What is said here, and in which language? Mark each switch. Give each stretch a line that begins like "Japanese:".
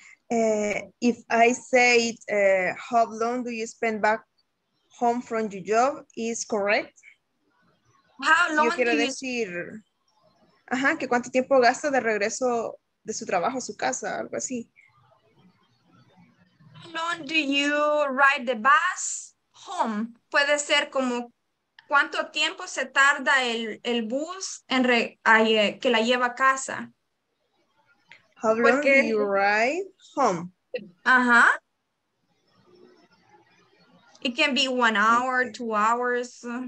English: If I say it, how long do you spend back home from your job, is correct? How long
Spanish: yo quiero decir, que cuánto tiempo gasta de regreso de su trabajo a su casa, algo así.
English: How long do you ride the bus home?
Spanish: Puede ser como cuánto tiempo se tarda el bus en que la lleva a casa.
English: How long do you ride home? Ajá. It can be 1 hour, 2 hours.